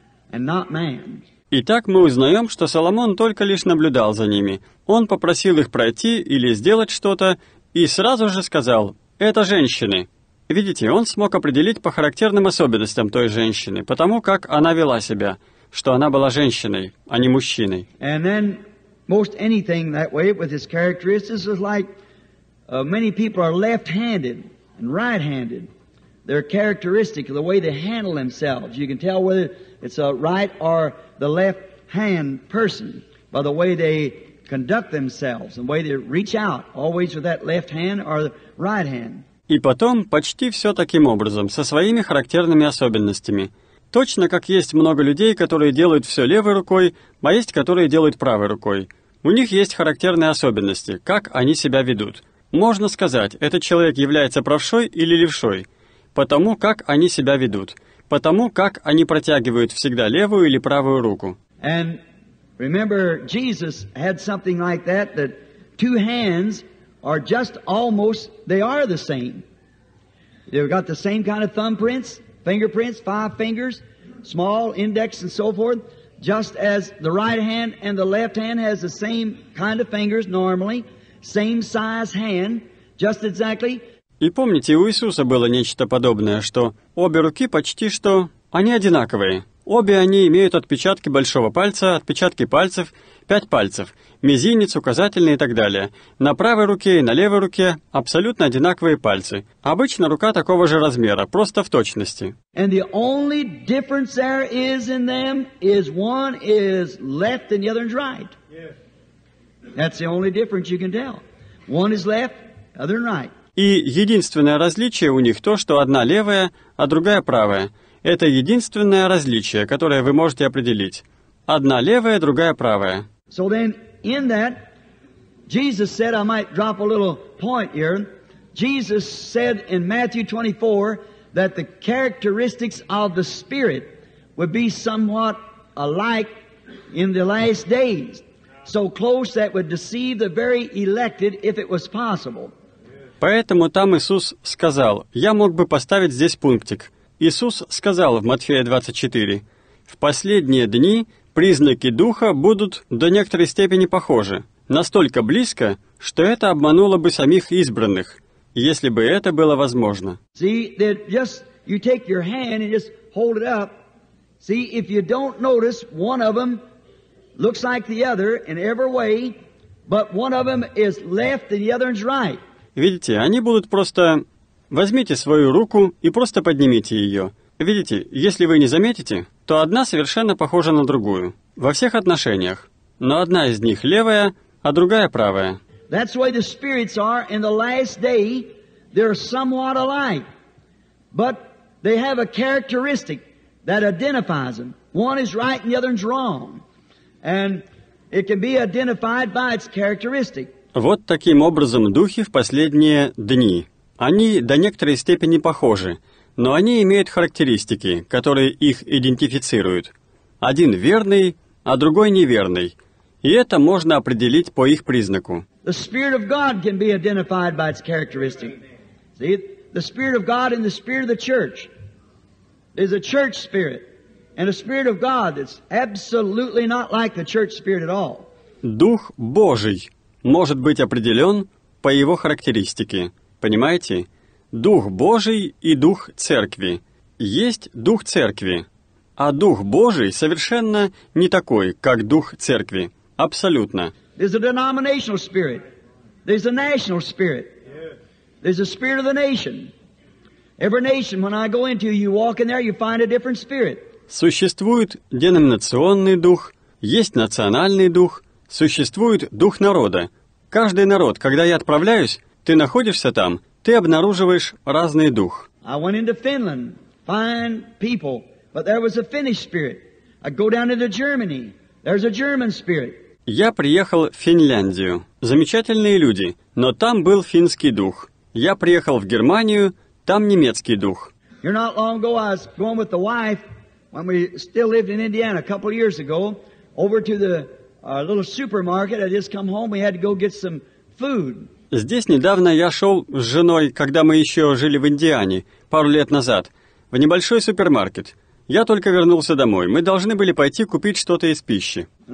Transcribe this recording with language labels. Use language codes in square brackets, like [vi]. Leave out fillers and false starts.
[en] And not man. [ru] Итак, мы узнаем, что Соломон только лишь наблюдал за ними. Он попросил их пройти или сделать что-то, и сразу же сказал, «Это женщины». Видите, он смог определить по характерным особенностям той женщины, по тому, как она вела себя, что она была женщиной, а не мужчиной. [en] And then, most anything that way, with his characteristics, is like many people are left-handed and right-handed. Their characteristic, the way they handle themselves. You can tell whether it's a right or the left-hand person by the way they conduct themselves, the way they reach out, always with that left hand or the right hand. [ru] И потом, почти все таким образом, со своими характерными особенностями. Точно как есть много людей, которые делают все левой рукой, а есть, которые делают правой рукой. У них есть характерные особенности, как они себя ведут. Можно сказать, этот человек является правшой или левшой, потому как они себя ведут, потому как они протягивают всегда левую или правую руку. [en] And remember, Jesus had something like that, that two hands are just almost, they are the same. They've got the same kind of thumbprints, fingerprints, five fingers, small index and so forth, just as the right hand and the left hand has the same kind of fingers normally, same size hand, just exactly. [ru] И помните, у Иисуса было нечто подобное, что обе руки почти что, они одинаковые. Обе они имеют отпечатки большого пальца, отпечатки пальцев, пять пальцев, мизинец, указательный и так далее. На правой руке и на левой руке абсолютно одинаковые пальцы. Обычно рука такого же размера, просто в точности. [en] And the only difference there is in them is one is left and the other is right. Yes. That's the only difference you can tell. One is left, other is right. [ru] И единственное различие у них то, что одна левая, а другая правая. Это единственное различие, которое вы можете определить. Одна левая, другая правая. [en] So then in that, Jesus said, I might drop a little point here. Jesus said in Matthew 24 that the characteristics of the Spirit would be somewhat alike in the last days. So close that would deceive the very elected if it was possible. [ru] Поэтому там Иисус сказал, я мог бы поставить здесь пунктик. Иисус сказал в Матфея 24, «В последние дни признаки Духа будут до некоторой степени похожи, настолько близко, что это обмануло бы самих избранных, если бы это было возможно». [en] See, that just you take your hand and just hold it up. See, if you don't notice, one of them looks like the other in every way, but one of them is left and the other is right. [ru] Видите, они будут просто... Возьмите свою руку и просто поднимите ее. Видите, если вы не заметите, то одна совершенно похожа на другую. Во всех отношениях. Но одна из них левая, а другая правая. [en] That's why the spirits are in the last day, they're somewhat alike. But they have a characteristic that identifies them. One is right and the other is wrong. And it can be identified by its characteristic. [ru] Вот таким образом духи в последние дни. Они до некоторой степени похожи, но они имеют характеристики, которые их идентифицируют. Один верный, а другой неверный. И это можно определить по их признаку. [en] The Spirit of God can be identified by its characteristic. See, the Spirit of God and the Spirit of the Church is a church spirit. And a Spirit of God that's absolutely not like the church spirit at all. [ru] Дух Божий может быть определен по его характеристике. Понимаете? Дух Божий и Дух Церкви. Есть Дух Церкви. А Дух Божий совершенно не такой, как Дух Церкви. Абсолютно. [en] There's a denominational spirit. There's a national spirit. There's a spirit of the nation. Every nation, when I go into you, you walk in there, you find a different spirit. [ru] Существует деноминационный дух, есть национальный дух, существует дух народа. Каждый народ, когда я отправляюсь, ты находишься там, ты обнаруживаешь разный дух. [en] I went into Finland, fine people, but there was a Finnish spirit. I go down into Germany, there's a German spirit. [ru] Я приехал в Финляндию. Замечательные люди, но там был финский дух. Я приехал в Германию, там немецкий дух. [en] You're not long ago, I was going with the wife, when we still lived in Indiana, a couple of years ago, over to the little supermarket. I just come home, we had to go get some food. [ru] Здесь недавно я шел с женой, когда мы еще жили в Индиане, пару лет назад, в небольшой супермаркет. Я только вернулся домой. Мы должны были пойти купить что-то из пищи.